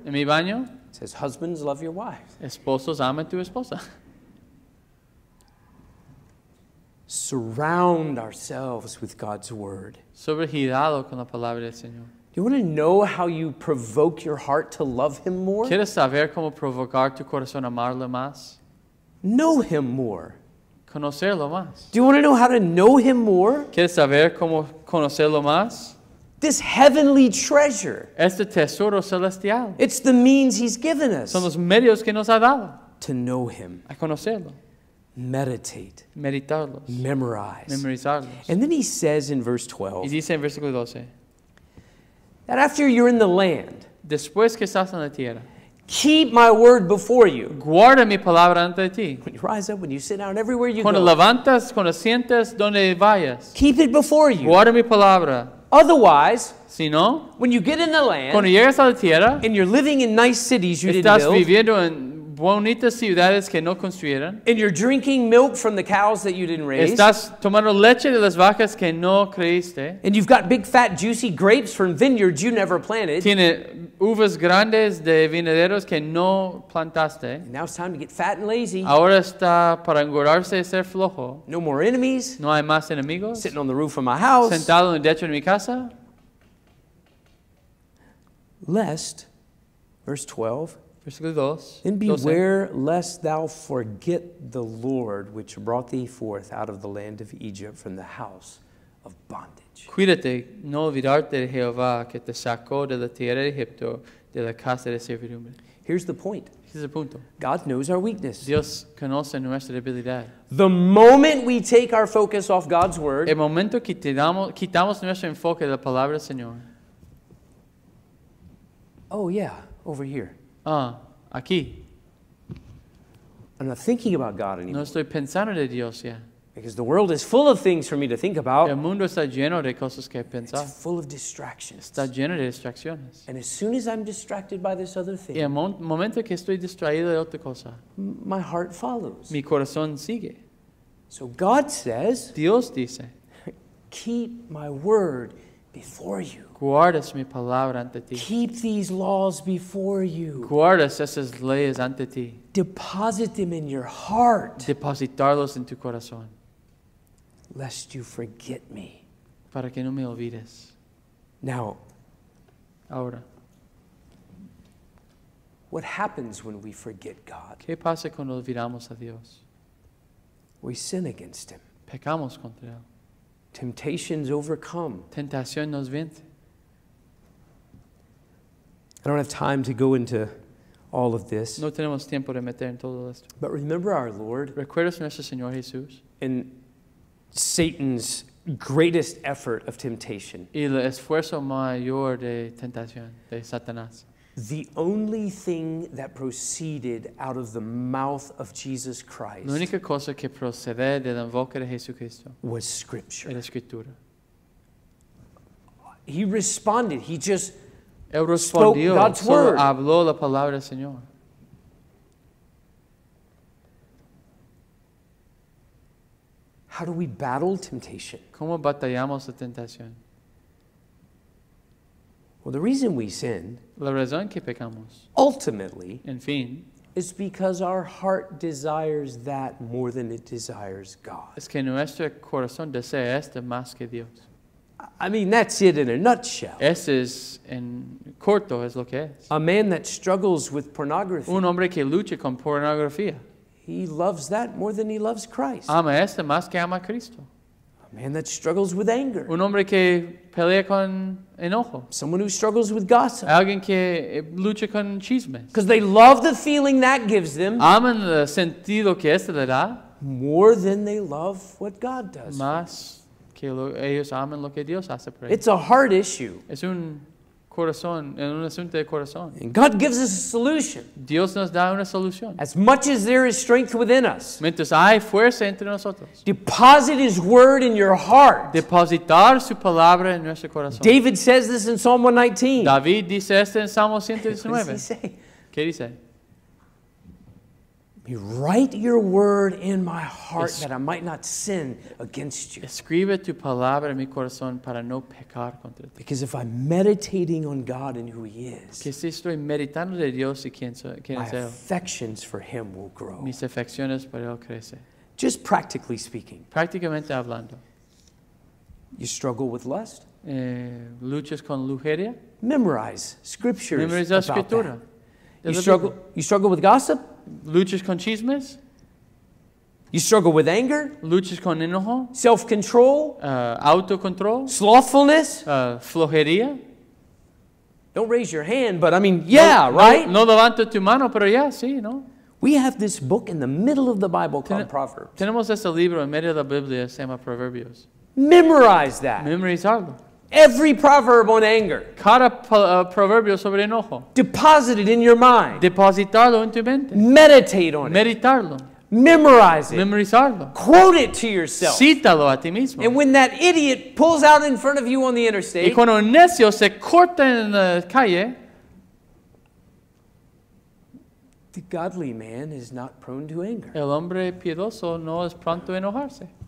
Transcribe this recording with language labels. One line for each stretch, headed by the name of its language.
Spanish: En mi baño.
English: Says husbands love your wives.
Spanish: Esposos ama tu esposa.
English: Surround ourselves with God's word.
Spanish: Sobregirado con la palabra del Señor.
English: Do you want to know how you provoke your heart to love Him more?
Spanish: ¿Quieres saber cómo provocar tu corazón a amarle más?
English: Know Him more.
Spanish: Conocerlo más.
English: Do you want to know how to know Him more?
Spanish: ¿Quieres saber cómo conocerlo más?
English: This heavenly treasure.
Spanish: Este tesoro celestial.
English: It's the means He's given us.
Spanish: Son los medios que nos ha dado.
English: To know Him.
Spanish: A conocerlo.
English: Meditate.
Spanish: Meditarlos.
English: Memorize.
Spanish: Memorizarlos.
English: And then he says in verse 12.
Spanish: Y dice en versículo 12.
English: That after you're in the land.
Spanish: Después que estás en la tierra.
English: Keep my word before you.
Spanish: Guarda mi palabra ante ti.
English: When you rise up, when you sit down, everywhere you
Spanish: cuando
English: go.
Spanish: Cuando levantas, cuando sientes, donde vayas.
English: Keep it before you.
Spanish: Guarda mi palabra.
English: Otherwise.
Spanish: Si no.
English: When you get in the land.
Spanish: Cuando llegas a la tierra.
English: And you're living in nice cities you didn't build.
Spanish: Estás viviendo en bonitas ciudades que no construyeron.
English: And you're drinking milk from the cows that you didn't raise.
Spanish: Estás tomando leche de las vacas que no creíste.
English: And you've got big, fat, juicy grapes from vineyards you never planted.
Spanish: Tiene uvas grandes de viñederos que no plantaste.
English: And now it's time to get fat and lazy.
Spanish: Ahora está para engordarse y ser flojo.
English: No more enemies.
Spanish: No hay más enemigos.
English: Sitting on the roof of my house.
Spanish: Sentado en el techo de mi casa.
English: Lest, verse 12.
Spanish: Versículo 2.
English: Then beware lest thou forget the Lord which brought thee forth out of the land of Egypt from the house of bondage.
Spanish: Cuídate no olvidarte de Jehová que te sacó de la tierra de Egipto de la casa de servidumbre.
English: Here's the point. Here's the punto. God knows our weakness.
Spanish: Dios conoce nuestra debilidad.
English: The moment we take our focus off God's word.
Spanish: El momento que quitamos nuestro enfoque de la palabra del Señor.
English: Oh yeah, over here.
Spanish: Aquí.
English: I'm not thinking about God anymore.
Spanish: No estoy pensando de Dios ya.
English: Because the world is full of things for me to think about.
Spanish: El mundo está lleno de cosas que pensar.
English: It's full of distractions.
Spanish: Está lleno de distracciones.
English: And as soon as I'm distracted by this other thing,
Spanish: y el momento que estoy distraído de otra cosa,
English: my heart follows.
Spanish: Mi corazón sigue.
English: So God says,
Spanish: Dios dice,
English: keep my word before you.
Spanish: Guardas mi palabra ante ti.
English: Keep these laws before you.
Spanish: Guardas esas leyes ante ti.
English: Deposit them in your heart.
Spanish: Depositarlos en tu corazón.
English: Lest you forget me.
Spanish: Para que no me olvides.
English: Now.
Spanish: Ahora.
English: What happens when we forget God?
Spanish: ¿Qué pasa cuando olvidamos a Dios?
English: We sin against Him.
Spanish: Pecamos contra Él.
English: Temptations overcome.
Spanish: Tentación nos vence.
English: I don't have time to go into all of this.
Spanish: No tenemos tiempo de meter en todo esto.
English: But remember our Lord.
Spanish: Recuerda nuestro Señor Jesús.
English: And Satan's greatest effort of temptation.
Spanish: Y el esfuerzo mayor de tentación de Satanás.
English: The only thing that proceeded out of the mouth of Jesus Christ.
Spanish: La única cosa que procede de la boca de Jesucristo.
English: Was Scripture.
Spanish: La Escritura.
English: He responded. He just.
Spanish: Él respondió,
English: spoke God's word.
Spanish: Habló la palabra del Señor.
English: How do we battle temptation?
Spanish: ¿Cómo batallamos la tentación?
English: Well, the reason we sin,
Spanish: la razón que pecamos,
English: ultimately,
Spanish: en fin,
English: is because our heart desires that more than it desires God.
Spanish: Es que nuestro corazón desea esto más que Dios.
English: I mean, that's it in a nutshell.
Spanish: Ese es en corto es lo que es.
English: A man that struggles with pornography.
Spanish: Un hombre que lucha con pornografía.
English: He loves that more than he loves Christ.
Spanish: Ama esto más que ama a Cristo.
English: A man that struggles with anger.
Spanish: Un hombre que pelea con enojo.
English: Someone who struggles with gossip.
Spanish: Alguien que lucha con chismes.
English: Because they love the feeling that gives them.
Spanish: Aman el sentido que esto le da.
English: More than they love what God does.
Spanish: Más que ellos aman lo que Dios hace por ellos.
English: It's a heart issue.
Spanish: Es un corazón, en un asunto de corazón.
English: And God gives us a solution.
Spanish: Dios nos da una solución.
English: As much as there is strength within us.
Spanish: Mientras hay fuerza entre nosotros.
English: Deposit His word in your heart.
Spanish: Depositar su palabra en nuestro corazón.
English: David says this in Psalm 119.
Spanish: David dice esto en Salmo 119.
English: What does he say?
Spanish: ¿Qué dice?
English: You write your word in my heart that I might not sin against you.
Spanish: Escribe tu palabra en mi corazón para no pecar contra ti.
English: Because if I'm meditating on God and who He is,
Spanish: que si estoy meditando de Dios y quién es
English: my
Spanish: él,
English: affections for Him will grow.
Spanish: Mis afecciones por él crecen.
English: Just practically speaking.
Spanish: Prácticamente hablando.
English: You struggle with lust?
Spanish: Luchas con lujuria?
English: Memorize scriptures.
Spanish: Memoriza
English: about
Spanish: escritura.
English: That. You struggle with gossip?
Spanish: Luchas con chismes?
English: You struggle with anger?
Spanish: Luchas con enojo?
English: Self-control?
Spanish: Autocontrol?
English: Slothfulness?
Spanish: Flojería?
English: Don't raise your hand, but I mean, yeah,
Spanish: no,
English: right?
Spanish: No, no levanto tu mano, pero ya, sí, ¿no?
English: We have this book in the middle of the Bible called Proverbs.
Spanish: Tenemos este libro en medio de la Biblia, se llama Proverbios.
English: Memorize that.
Spanish: Memorizarlo.
English: Every proverb on anger.
Spanish: Cada proverbio sobre enojo.
English: Deposit it in your mind.
Spanish: Depositarlo en tu mente.
English: Meditate on
Spanish: meditarlo.
English: It. Memorize it.
Spanish: Memorizarlo.
English: Quote it to yourself.
Spanish: Cítalo a ti mismo.
English: And when that idiot pulls out in front of you on the interstate.
Spanish: Y cuando un necio se corta en la calle.
English: The godly man is not prone to anger.
Spanish: El hombre piedoso no es pronto a enojarse.